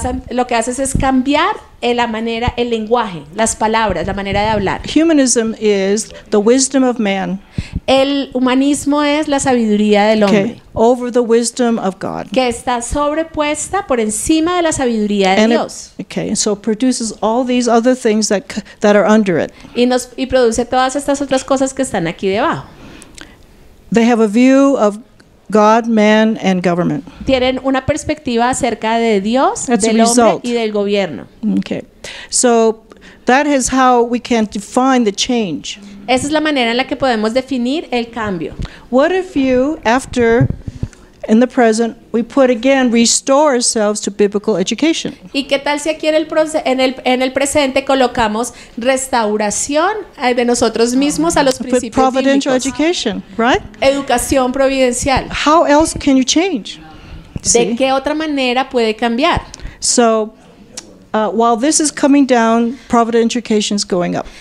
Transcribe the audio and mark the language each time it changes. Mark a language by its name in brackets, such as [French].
[Spanish] Lo que haces es cambiar la manera, el lenguaje, las palabras, la manera de hablar. [English] Humanism is the wisdom of man. [Spanish] El humanismo es la sabiduría del hombre. [English] Okay. Over the wisdom of God. [Spanish] Que está sobrepuesta por encima de la sabiduría de [English] and [Spanish] Dios. [English] Okay. So produces all these other things that are under it. [Spanish] Y produce todas estas otras cosas que están aquí debajo. [English] They have a view of God, man and government. [Spanish] Tienen una perspectiva acerca de Dios, [English] that's [Spanish] del hombre y del gobierno. [English] Okay. So that is how we can define the change. [Spanish] Esa es la manera en la que podemos definir el cambio. [English] What if you after in the present we put again restore ourselves to biblical education? [Spanish] ¿Y qué tal si aquí en el presente colocamos restauración de nosotros mismos a los principios bíblicos? [English] Providential education, right? [Spanish] Educación providencial. [English] How else can you change? [Spanish] ¿De see? ¿Qué otra manera puede cambiar? [English] So while this is coming down, providential education is going up.